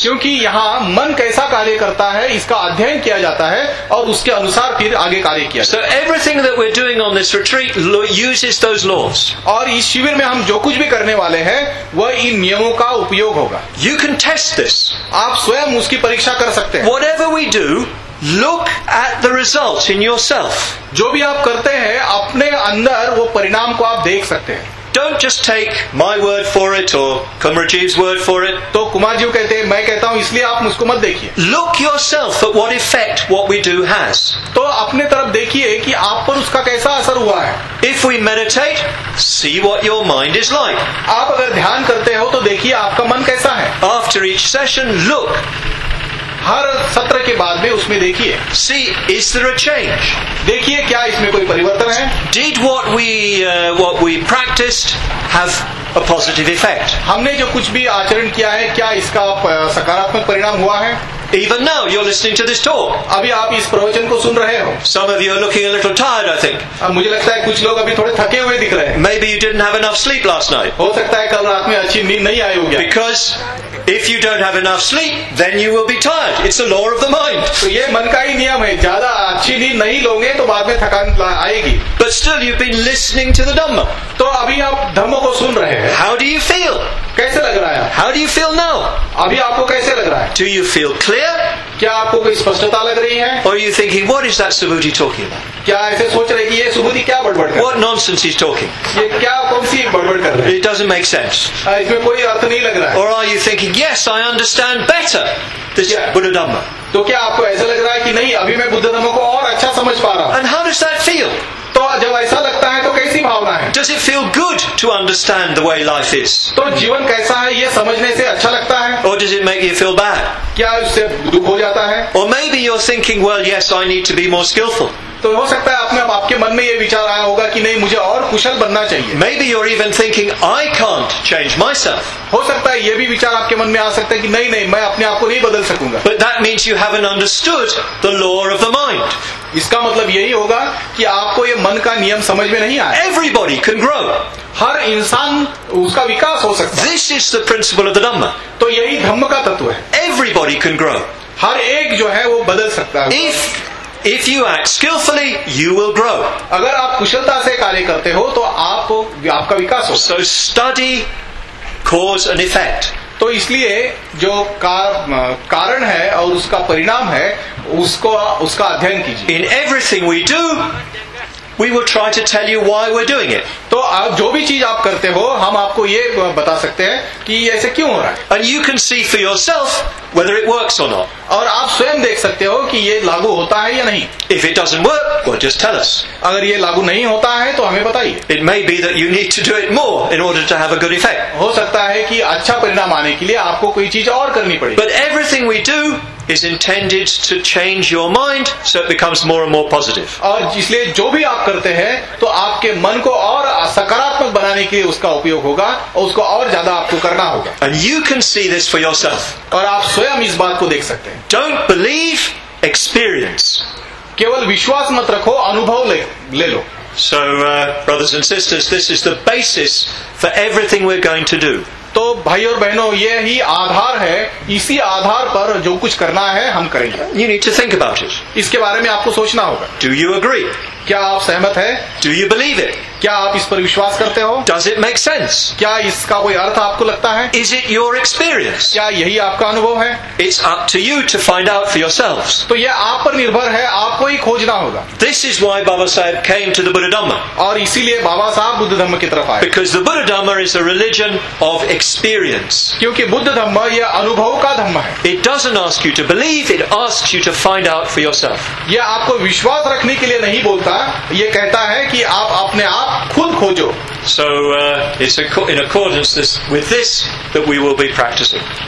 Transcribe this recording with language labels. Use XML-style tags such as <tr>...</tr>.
<hi>क्योंकि यहाँ मन कैसा कार्य करता है इसका अध्ययन किया जाता है और उसके अनुसार फिर आगे कार्य किया जाता है.</hi> <en>So everything that we're doing on this retreat uses those laws.</en> <hi>और इस शिविर में हम जो कुछ भी करने वाले हैं वह इन नियमों का उपयोग होगा.</hi> <en>You can test this.</en> <hi>आप स्वयं उसकी परीक्षा कर सकते हैं.</hi> <en>Whatever we do, look at the results in yourself.</en> <hi>जो भी आप करते हैं अपने अंदर वो परिणाम को आप देख सकते हैं.</hi> <en>don't just take my word for it or Kumar Rajiv's word for it.</en> <hi>तो कुमार जी कहते हैं मैं कहता हूँ इसलिए आप मुझको मत देखिए.</hi> <en>Look yourself at what effect what we do has.</en> <hi>तो अपने तरफ देखिए कि आप पर उसका कैसा असर हुआ है.</hi> <en>If we meditate, see what your mind is like.</en> <hi>आप अगर ध्यान करते हो तो देखिए आपका मन कैसा है.</hi> <en>After each session, look.</en> <hi>हर सत्र के बाद में उसमें देखिए.</hi> <en>See, is there a change?</en> <hi>देखिए क्या इसमें कोई परिवर्तन है.</hi> <en>Did what we practiced have a positive effect?</en> <hi>हमने जो कुछ भी आचरण किया है क्या इसका सकारात्मक परिणाम हुआ है.</hi> <en>Even now you're listening to this talk.</en> <hi>अभी आप इस प्रवचन को सुन रहे हो.</hi> <en>Some of you are looking a little tired, I think.</en> <hi>मुझे लगता है कुछ लोग अभी थोड़े थके हुए दिख रहे हैं.</hi> <en>Maybe you didn't have enough sleep last night.</en> <hi>हो सकता है कल रात में अच्छी नींद नहीं आई होगी.</hi> <en>Because if you don't have enough sleep, then you will be tired. It's the law of the mind.</en> <hi>तो ये मन का ही नियम है. ज़्यादा अच्छी नींद नहीं लोगे तो बाद में थकान आएगी.</hi> <en>But still, you've been listening to the Dhamma.</en> <hi>तो अभी आप धम्म को सुन रहे हैं.</hi> <en>How do you feel?</en> <hi>कैसे लग रहा है?</hi> <en>How do you feel now?</en> <hi>अभी आपको कैसे लग रहा है?</hi> <en>Do you feel clear?</en> <hi>क्या आपको कोई स्पष्टता लग रही है?</hi> <en>Or are you thinking, what is that Subhuti talking about?</en> <hi>क्या ऐसे सोच रहे कि ये सुबुद्धि क्या बड़बड़ कर?</hi> <en>What nonsense he's talking?</en> <hi>ये क्या कौन सी बड़बड़ कर रहे?</hi> <en>It doesn't make sense.</en> <hi>इसमें कोई अर्थ नहीं लग रहा है.</hi> <en>Or are you thinking, yes, I understand better this Buddha Dhamma?</en> <hi>तो क्या आपको ऐसे लग रहा है कि नहीं अभी मैं बुद्ध धर्म को और अच्छा समझ पा रहा हूँ?</hi> <en>And how does that feel?</en> <hi>तो जब ऐसा लगता है तो कैसी भावना है?</hi> <en>Does it feel good to understand the way life is?</en> <hi>तो जीवन कैसा है ये समझने से अच्छा लगता है?</hi> <en>Or does it make you feel bad?</en> <hi>क्या उससे दुख हो जाता है?</hi> <en>Or maybe you're thinking, well, yes, I need to be more skillful.</en> <hi>तो हो सकता है अपने आपके मन में ये विचार आया होगा कि नहीं मुझे और कुशल बनना चाहिए.</hi> <en>Maybe you're even thinking, I can't change myself.</en> <hi>हो सकता है ये भी विचार आपके मन में आ सकता है कि नहीं नहीं मैं अपने आप को नहीं बदल सकूंगा.</hi> <en>But that means you haven't understood the law of the mind.</en> <hi>इसका मतलब यही होगा कि आपको ये मन का नियम समझ में नहीं आया.</hi> <en>Everybody can grow.</en> <hi>हर इंसान उसका विकास हो सकता है.</hi> <en>This is the principle of the Dhamma.</en> <hi>तो यही धम्म का तत्व है.</hi> <en>Everybody can grow.</en> <hi>हर एक जो है वो बदल सकता है.</hi> <en>If you act skillfully, you will grow.</en> <hi>अगर आप कुशलता से कार्य करते हो तो आपको आपका विकास होगा.</hi> <en>So study cause and effect.</en> <hi>तो इसलिए जो कारण है और उसका परिणाम है उसका अध्ययन कीजिए.</hi> <en>In everything we do, we will try to tell you why we're doing it.</en> <hi>तो जो भी चीज आप करते हो हम आपको ये बता सकते हैं कि ऐसे क्यों हो रहा है.</hi> <en>And you can see for yourself whether it works or not.</en> <hi>और आप स्वयं देख सकते हो कि ये लागू होता है या नहीं.</hi> <en>If it doesn't work, well, just tell us.</en> <hi>अगर ये लागू नहीं होता है तो हमें बताइए.</hi> <en>It may be that you need to do it more in order to have a good effect.</en> <hi>हो सकता है कि अच्छा परिणाम आने के लिए आपको कोई चीज और करनी पड़े.</hi> <en>But everything we do is intended to change your mind so it becomes more and more positive.</en> <hi>और इसलिए जो भी आप करते हैं तो आपके मन को और सकारात्मक बनाने के लिए उसका उपयोग होगा और उसको और ज्यादा आपको करना होगा.</hi> <en>And you can see this for yourself.</en> <hi>और आप स्वयं इस बात को देख सकते हैं.</hi> <en>Don't believe, experience.</en> <hi>केवल विश्वास मत रखो अनुभव ले लो.</hi> <en>So brothers and sisters, this is the basis for everything we're going to do.</en> <hi>तो भाई और बहनों ये ही आधार है. इसी आधार पर जो कुछ करना है हम करेंगे.</hi> <en>You need to think about it.</en> <hi>इसके बारे में आपको सोचना होगा.</hi> <en>Do you agree?</en> <hi>क्या आप सहमत है?</hi> <en>Do you believe it?</en> <hi>क्या आप इस पर विश्वास करते हो?</hi> <en>Does it make sense?</en> <hi>क्या इसका कोई अर्थ आपको लगता है?</hi> <en>Is it your experience?</en> <hi>क्या यही आपका अनुभव है?</hi> <en>It's up to you to find out for yourselves.</en> <hi>तो ये आप पर निर्भर है. आपको ही खोजना होगा.</hi> <en>This is why Baba Sahib came to the Buddha Dhamma.</en> <hi>और इसीलिए बाबा साहब बुद्ध धर्म की तरफ आए.</hi> <en>Because the Buddha Dhamma is a religion of experience.</en> <hi>क्योंकि बुद्ध धर्म यह अनुभव का धर्म है.</hi> <en>It doesn't ask you to believe. It asks you to find out for yourself.</en> <hi>यह आपको विश्वास रखने के लिए नहीं बोलता. ये कहता है कि आप अपने आप खुद खोजो.</hi> <en>So it's in accordance with this that we will be practicing.</en>